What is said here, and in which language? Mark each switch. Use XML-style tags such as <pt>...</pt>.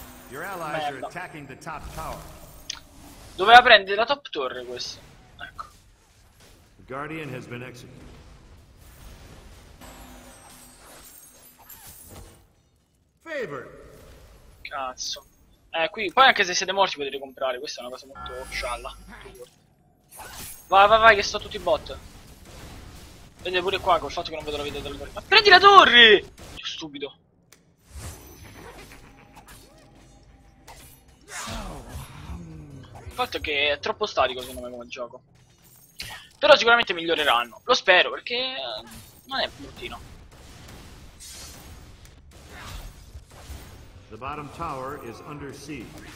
<en>Your allies are attacking the top tower.</en> <it>Doveva prendere la top torre questo. Ecco.</it> <en>The guardian has been executed.</en> <it>Cazzo. Qui poi anche se siete morti potete comprare, questa è una cosa molto scialla. Vai che sto tutti i bot. Vedete pure qua col fatto che non vedo la vita della torre. Ma prendi la torre! Io stupido. Il fatto è che è troppo statico secondo me come gioco. Però sicuramente miglioreranno. Lo spero perché non è bruttino.</it> <en>The bottom tower is under siege.</en>